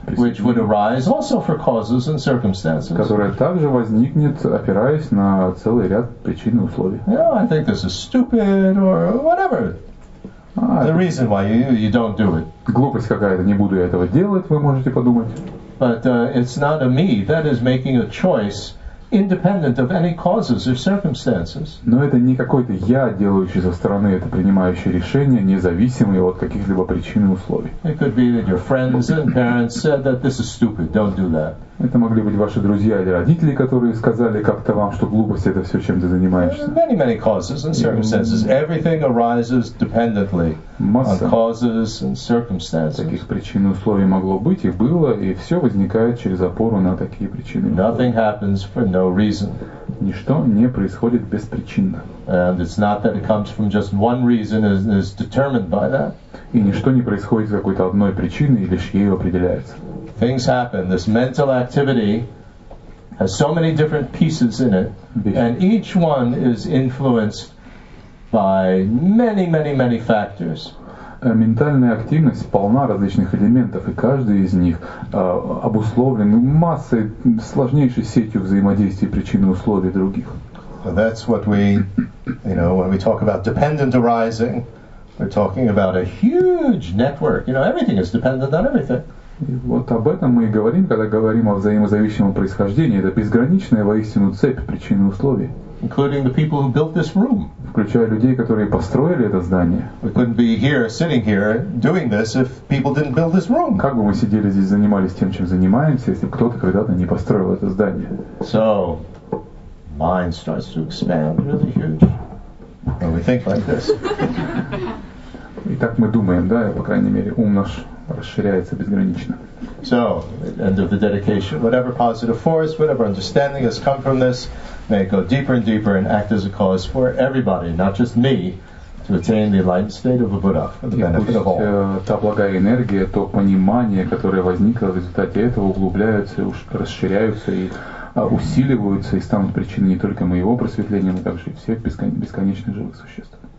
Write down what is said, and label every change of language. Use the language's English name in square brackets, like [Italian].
[English] Which would arise also for causes and circumstances. [Russian] Которая также возникнет, опираясь на целый ряд причин и условий. [English] No, I think this is stupid or whatever. The reason why you don't do it. [Russian] Глупость какая-то. Не буду я этого делать. Вы можете подумать. [English] But it's not a me that is making a choice. Independent of any causes or circumstances. [Russian] Но это не какой-то я, делающий со стороны это принимающее решение, независимый от каких-либо причин и условий. [English] It could be that your friends and parents said that this is stupid, don't do that. [Russian] Это могли быть ваши друзья или родители, которые сказали как-то вам, что глупость это все, чем ты занимаешься. [English] Many, many causes and circumstances. Everything arises dependently on causes and circumstances. [Russian] Таких причин и условий могло быть и было, и все возникает через опору на такие причины. [English] Nothing happens for no reason. [Russian] Ничто не происходит беспричинно. [English] And it's not that it comes from just one reason and is determined by that. [Russian] И ничто не происходит из какой-то одной причины и лишь ею определяется. [English] Things happen. This mental activity has so many different pieces in it, and each one is influenced by many, many, many factors. [Russian] Ментальная активность полна различных элементов, и каждый из них обусловлен массой, сложнейшей сетью взаимодействий причин и условий других. [English] Well, that's what we, you know, when we talk about dependent arising, we're talking about a huge network. You know, everything is dependent on everything. [Russian] И вот об этом мы и говорим, когда говорим о взаимозависимом происхождении. Это безграничная воистину цепь причин и условий. [English] Including the people who built this room. [Russian] Включая людей, которые построили это здание. [English] We couldn't be here, sitting here, doing this if people didn't build this room. [Russian] Как бы мы сидели здесь, занимались тем, чем занимаемся, если бы кто-то когда-то не построил это здание. [English] So, mind starts to expand really huge when we think like this. [Russian] И так мы думаем, да, по крайней мере, ум наш расширяется безгранично. [English] So, end of the dedication. Whatever positive force, whatever understanding has come from this, may it go deeper and deeper and act as a cause for everybody, not just me, to attain the enlightened state of a Buddha, for the benefit of all. [Russian] И пусть та благая энергия, то понимание, которое возникло в результате этого, углубляются, расширяются и усиливаются и станут причиной не только моего просветления, но также и всех бесконечных живых существ.